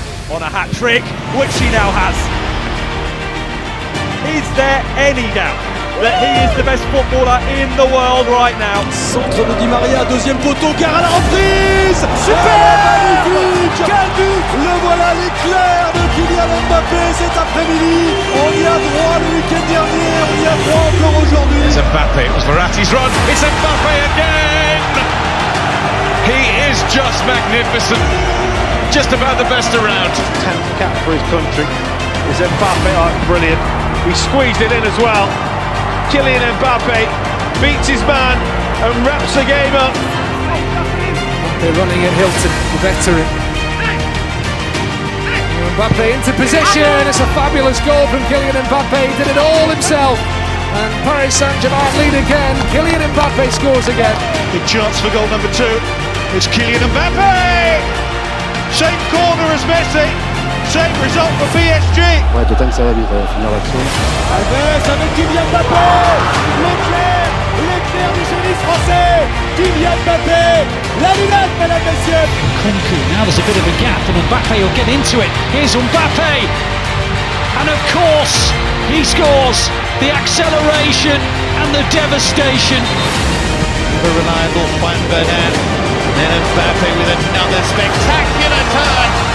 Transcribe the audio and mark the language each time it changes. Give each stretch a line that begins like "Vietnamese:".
English: On a hat trick, which he now has. Is there any doubt that he is the best footballer in the world right now?
French: Centre de Di Maria, deuxième poteau, car à la reprise! Super! Magnifique! Quel but! Le voilà l'éclair de Kylian Mbappé cet après-midi! On y a droit le week-end dernier, on y a droit encore aujourd'hui!
English: It's Mbappé, it was Verratti's run, it's Mbappé again! He is just magnificent! Just about the best around. 10th cap for his country. Is Mbappé, oh, brilliant. He squeezed it in as well. Kylian Mbappé beats his man and wraps the game up. They're running at Hilton, the veteran. Mbappé into position. It's a fabulous goal from Kylian Mbappé. He did it all himself. And Paris Saint-Germain lead again. Kylian Mbappé scores again. Big chance for goal number two. It's Kylian Mbappé. Same corner as Messi, same result for PSG.
French: Ouais, d'autant que ça va vite, finir l'action. Alves avec Kylian Mbappé, l'éclair du génie français, Kylian Mbappé, la lunette, mesdames et messieurs.
English: Clinique, now there's a bit of a gap and Mbappé will get into it. Here's Mbappé, and of course, he scores the acceleration and the devastation. Never reliable, Juan Bernat. And Mbappé with another spectacular turn.